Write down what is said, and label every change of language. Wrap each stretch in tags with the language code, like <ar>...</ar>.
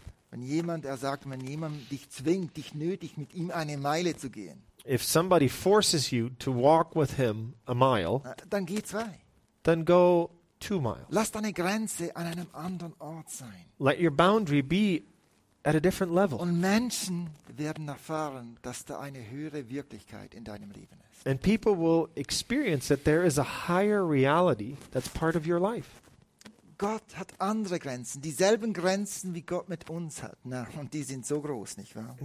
<de>Wenn jemand dich zwingt, dich nötigt, mit ihm eine Meile zu gehen.</de> <en>If somebody forces you to walk with him a mile,</en> <de>dann geh zwei.</de> <en>Then go 2 miles.</en> <de>Lass deine Grenze an einem anderen Ort sein.</de> <en>Let your boundary be at a different level.</en> <de>Und Menschen werden erfahren, dass da eine höhere Wirklichkeit in deinem Leben ist.</de> <en>And people will experience that there is a higher reality that's part of your life.</en> <de>Gott hat andere Grenzen, dieselben Grenzen, wie Gott mit uns hat. Na, und die sind so groß, nicht wahr?</de>